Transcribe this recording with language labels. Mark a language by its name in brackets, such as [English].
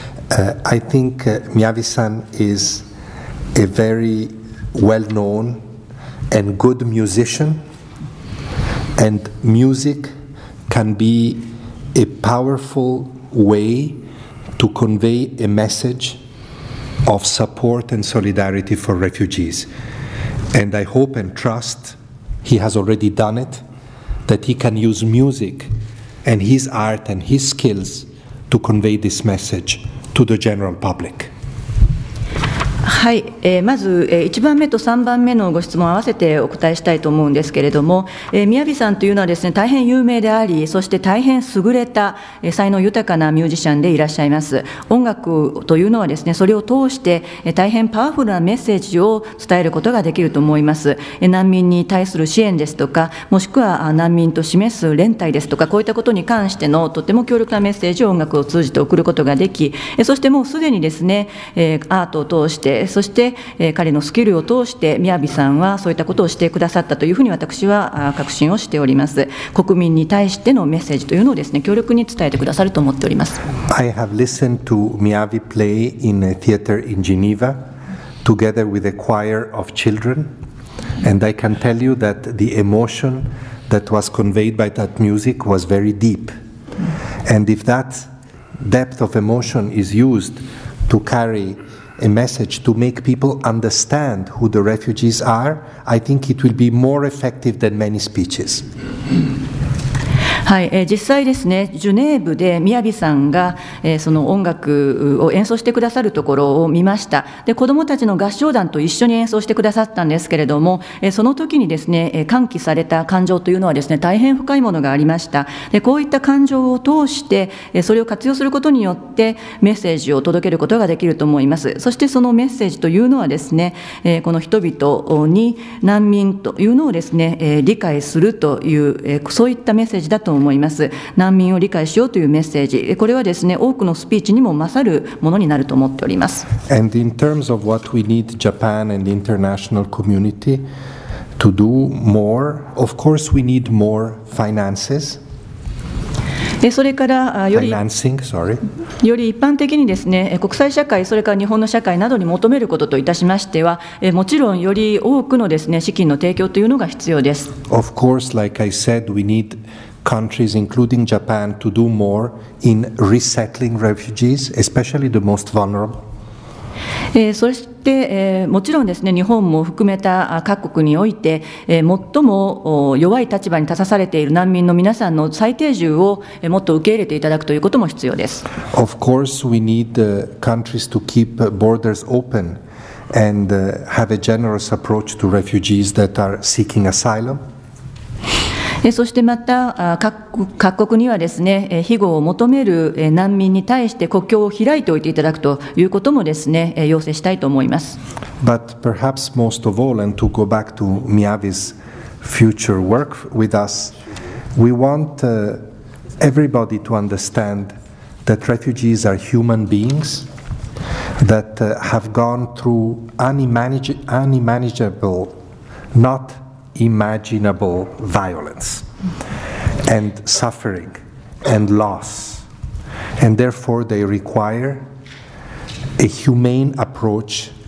[English] I think Miyabi-san is a very well-known and good musician, and music can be a powerful way to convey a message of support and solidarity for refugees. And I hope and trust, he has already done it, that he can use music and his art and his skills to convey this message to the general public. [Japanese] はい。まず1番目と3番目のご質問を合わせてお答えしたいと思うんですけれども、宮城さんというのはですね、大変有名であり、そして大変優れた才能豊かなミュージシャンでいらっしゃいます。音楽というのはですね、それを通して大変パワフルなメッセージを伝えることができると思います。難民に対する支援ですとか、もしくは難民と示す連帯ですとか、こういったことに関してのとても強力なメッセージを音楽を通じて送ることができ、そしてもうすでにですね、アートを通して、そして彼のスキルを通して宮城さんはそういったことをしてくださったというふうに私は確信をしております。国民に対してのメッセージというのをですね、強力に伝えてくださると思っております。 [English] I have listened to Miyabi play in a theater in Geneva together with a choir of children, and I can tell you that the emotion that was conveyed by that music was very deep, and if that depth of emotion is used to carrya message to make people understand who the refugees are, I think it will be more effective than many speeches. [Japanese] はい。実際ですね、ジュネーブで宮城さんが、その音楽を演奏してくださるところを見ました。で、子どもたちの合唱団と一緒に演奏してくださったんですけれども、その時にですね、歓喜された感情というのはですね、大変深いものがありました。で、こういった感情を通してそれを活用することによってメッセージを届けることができると思います。そしてそのメッセージというのはですね、この人々に難民というのをですね、理解するという、そういったメッセージだと思います。難民を理解しようというメッセージ、これはですね、多くのスピーチにも勝るものになると思っております。 [English] And in terms of what we need Japan and the international community to do more, of course we need more finances. [Japanese] で、それからより [English] Financing, sorry. [Japanese] より一般的にですね、国際社会、それから日本の社会などに求めることといたしましては、もちろんより多くのですね、資金の提供というのが必要です。 [English] Of course, like I said, we needcountries including Japan to do more in resettling refugees, especially the most vulnerable. [Japanese] そして、もちろんですね、日本も含めた各国において、最も弱い立場に立たされている難民の皆さんの最低住を、もっと受け入れていただくということも必要です。 [English] Of course, we need countries to keep borders open and have a generous approach to refugees that are seeking asylum. [Japanese] そしてまた各国にはですね、庇護を求める難民に対して国境を開いておいていただくということもですね、要請したいと思います。 [English] But perhaps most of all, and to go back to Miyabi's future work with us, we want everybody to understand that refugees are human beings that have gone through unimaginable, not imaginable violence and suffering and loss, and therefore they require a humane approach